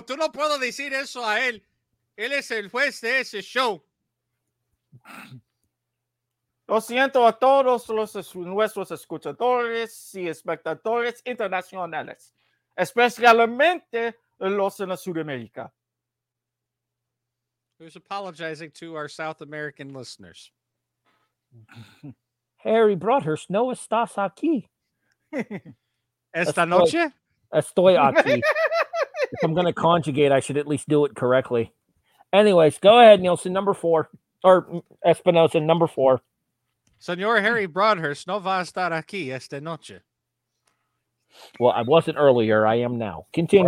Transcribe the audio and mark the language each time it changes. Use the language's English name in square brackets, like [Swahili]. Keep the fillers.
[Spanish] Tú no puedo decir eso a él. Él es el juez de ese show. Lo siento a todos los es- nuestros escuchadores y espectadores internacionales, especialmente los en Sudamérica. [English] Who's apologizing to our South American listeners? [Spanish] Harry Broadhurst, no estás aquí. Esta noche? Estoy aquí. [English] if I'm going to conjugate, I should at least do it correctly. Anyways, go ahead, Nielsen. Number four, or mm, Espinosa, number four. [Spanish] Senor Harry Broadhurst no va a estar aquí esta noche. [English] Well, I wasn't earlier. I am now. Continue.